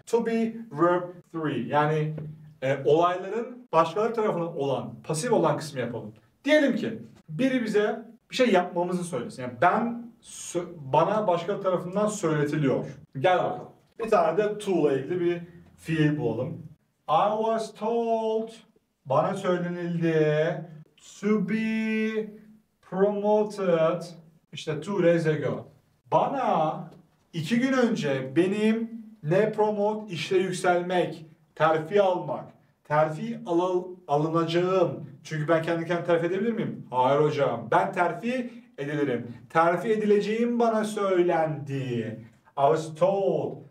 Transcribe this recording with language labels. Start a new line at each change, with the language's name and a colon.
Turkish: To be verb 3. Yani olayların başkaları tarafından olan, pasif olan kısmı yapalım. Diyelim ki biri bize bir şey yapmamızı söylesin. Yani ben, bana başka tarafından söyletiliyor. Gel bakalım. Bir tane de to ile ilgili bir fiil bulalım.
English: I was told, bana söylenildi, to be promoted, işte 2 days ago.
Turkish: Bana 2 gün önce benim ne promote, işte yükselmek, terfi almak, terfi alınacağım. Çünkü ben kendi kendime terfi edebilir miyim? Hayır hocam, ben terfi edilirim. Terfi edileceğim bana söylendi. I was told.